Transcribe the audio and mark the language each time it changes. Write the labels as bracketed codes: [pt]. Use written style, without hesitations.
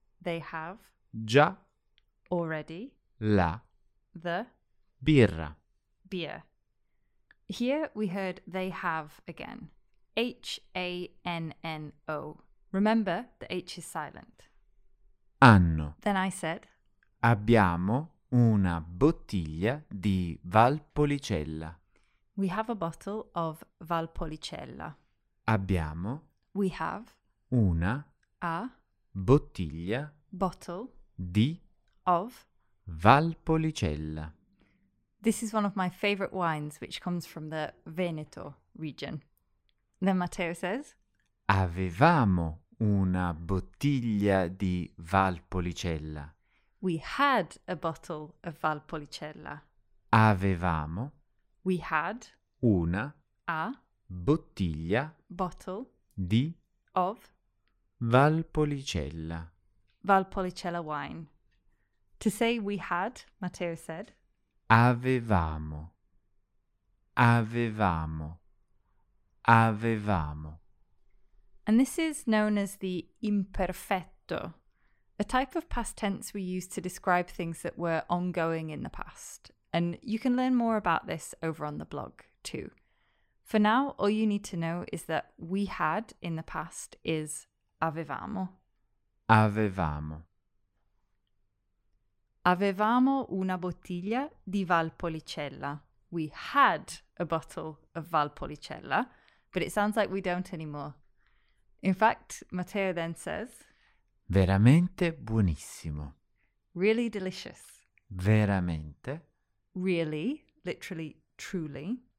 [en] They have. [it] Già. [en] Already. [it] La. [en] The. [it] Birra. [en] Beer. Here we heard they have again. H-A-N-N-O. Remember, the H is silent. [it] Hanno. [en] Then I said, [it] abbiamo una bottiglia di Valpolicella. [en] We have a bottle of Valpolicella. [it] Abbiamo. [en] We have. [it] Una. [en] A. [it] Bottiglia. [en] Bottle. [it] Di. [en] Of. [it] Valpolicella. [en] This is one of my favourite wines, which comes from the Veneto region. Then Matteo says, [it] avevamo una bottiglia di Valpolicella. [en] We had a bottle of Valpolicella. [it] Avevamo. [en] We had. [it] Una. [en] A. [it] Bottiglia. [en] Bottle. [it] Di. [en] Of. [it] Valpolicella. [en] Valpolicella wine. To say we had, Matteo said, [it] avevamo. Avevamo. Avevamo. [en] And this is known as the imperfetto, a type of past tense we use to describe things that were ongoing in the past. And you can learn more about this over on the blog too. For now, all you need to know is that we had in the past is [it] avevamo. Avevamo. Avevamo una bottiglia di Valpolicella. [en] We had a bottle of Valpolicella, but it sounds like we don't anymore. In fact, Matteo then says, [it] veramente buonissimo. [en] Really delicious. [it] Veramente. [en] Really, literally, truly.